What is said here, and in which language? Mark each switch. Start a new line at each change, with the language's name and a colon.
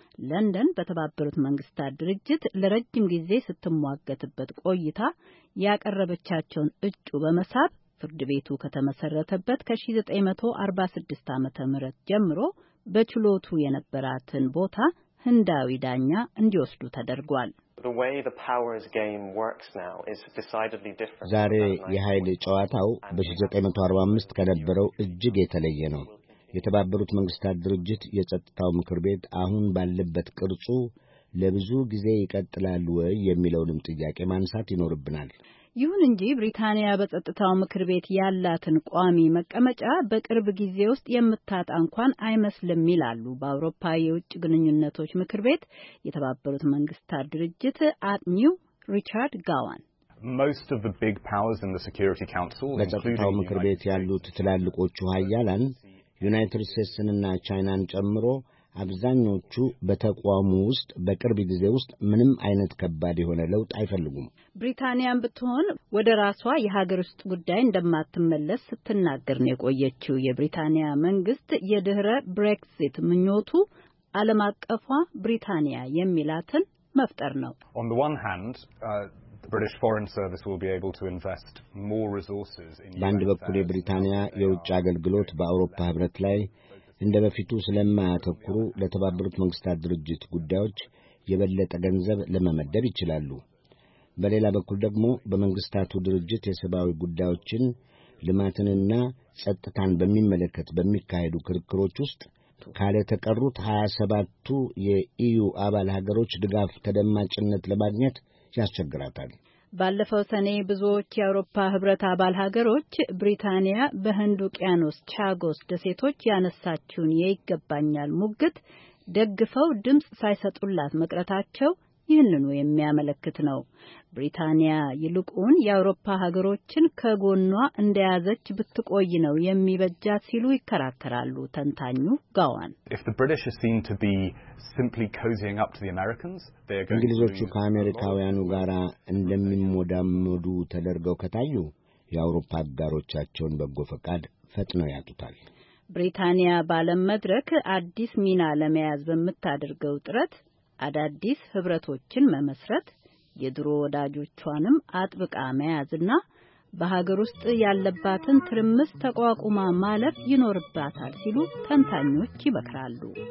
Amharic: ለንደን በተባበሩት መንግስታት ድርጅት ለረጅም ጊዜ ስትሟገትበት ቆይታ ያቀረበቻቸውን እጩ በመሳብ ፍርድ ቤቱ ከተመሰረተበት ከ1946 ዓመተ ምህረት ጀምሮ በችሎቱ የነበራትን ቦታ ህንዳዊ ዳኛ እንዲወስዱ ተደርጓል።
English: The way the powers game works now is decidedly different.
Amharic: ዛሬ የኃይል ጨዋታው በ1945 ከነበረው እጅግ የተለየ ነው። የተባበሩት መንግስታት ድርጅት የጸጥታው ምክር ቤት አሁን ባለበት ቅርጹ ለብዙ ጊዜ ይቀጥላል ወይ የሚለውንም ጥያቄ ማንሳት ይኖርብናል። ይሁን እንጂ ብሪታንያ በጸጥታው ምክር ቤት ያላትን ቋሚ መቀመጫ በቅርብ ጊዜ ውስጥ የምታጣ እንኳን አይመስልም ይላሉ በአውሮፓ የውጭ ግንኙነቶች ምክር ቤት የተባበሩት መንግስታት ድርጅት አጥኚው ሪቻርድ ጋዋን።
English: Most of the big powers in the Security Council
Amharic: በጸጥታው ምክር ቤት ያሉት ትላልቆቹ ሀያላን ዩናይትድ ስቴትስና ቻይናን ጨምሮ አብዛኞቹ በተቋሙ ውስጥ በቅርብ ጊዜ ውስጥ ምንም አይነት ከባድ የሆነ ለውጥ አይፈልጉም። ብሪታንያም ብትሆን ወደ ራሷ የሀገር ውስጥ ጉዳይ እንደማትመለስ ስትናገር ነው የቆየችው። የብሪታንያ መንግስት የድህረ ብሬክዚት ምኞቱ ዓለም አቀፏ ብሪታንያ የሚላትን መፍጠር ነው።
English: On the one hand, the British Foreign Service will be able to invest more resources in
Amharic: በአንድ በኩል የብሪታንያ የውጭ አገልግሎት በአውሮፓ ህብረት ላይ እንደበፊቱ ስለማያተኩሩ ለተባበሩት መንግስታት ድርጅት ጉዳዮች የበለጠ ገንዘብ ለመመደብ ይችላሉ። በሌላ በኩል ደግሞ በመንግስታቱ ድርጅት የሰብአዊ ጉዳዮችን ልማትንና ጸጥታን በሚመለከት በሚካሄዱ ክርክሮች ውስጥ ካለ ተቀሩት 27ቱ የኢዩ አባል ሀገሮች ድጋፍ ተደማጭነት ለማግኘት ያስቸግራታል። ባለፈው ሰኔ ብዙዎች የአውሮፓ ህብረት አባል ሀገሮች ብሪታንያ በህንድ ውቅያኖስ ቻጎስ ደሴቶች ያነሳችውን የይገባኛል ሙግት ደግፈው ድምጽ ሳይሰጡላት መቅረታቸው ይህንኑ የሚያመለክት ነው። ብሪታንያ ይልቁን የአውሮፓ ሀገሮችን ከጎኗ እንደያዘች ብትቆይ ነው የሚበጃት ሲሉ ይከራከራሉ ተንታኙ ጋዋን።
English: If the British are seen to be simply cozying up to the Americans, they're going
Amharic: እንግሊዞቹ ከአሜሪካውያኑ ጋር እንደሚሞዳሙዱ ተደርገው ከታዩ የአውሮፓ አጋሮቻቸውን በጎ ፈቃድ ፈጥነው ያጡታል። ብሪታንያ ባለም መድረክ አዲስ ሚና ለመያዝ በመታደርገው ጥረት አዳዲስ ህብረቶችን መመስረት የድሮ ወዳጆቿንም አጥብቃ መያዝና በሀገር ውስጥ ያለባትን ትርምስ ተቋቁማ ማለፍ ይኖርባታል ሲሉ ተንታኞች ይመክራሉ።